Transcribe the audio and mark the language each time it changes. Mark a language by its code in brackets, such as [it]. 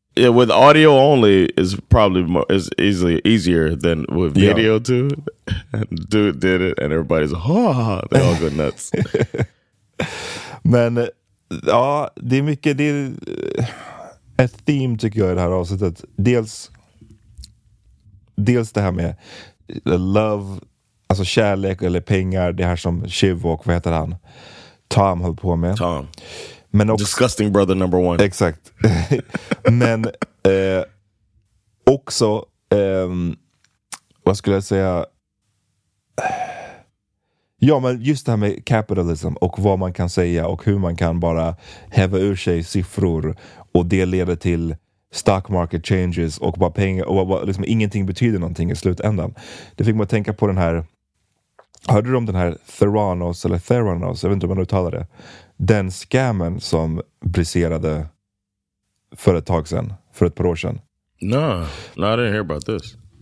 [en] Yeah, with audio only is probably more, is easier than with video too. Dude did it and everybody's they all go nuts. [sv] Men ja, det är mycket, det är ett theme tycker jag i det här avsnittet. Dels det här med love, alltså kärlek eller pengar, det här som Shiv och vad heter han, Tom höll på med. Tom. Men också, [en] disgusting brother number one. [sv] Exakt. Men också vad skulle jag säga? Ja, men just det här med capitalism och vad man kan säga och hur man kan bara häva ur sig siffror och det leder till [en] stock market changes [sv] och bara pengar och bara, liksom, ingenting betyder någonting i slutändan. Det fick man tänka på den här, hörde du om den här Theranos, jag vet inte om man uttalar det, den scammen som briserade för ett tag sedan, för ett par år sedan? [en] No, I didn't hear about this.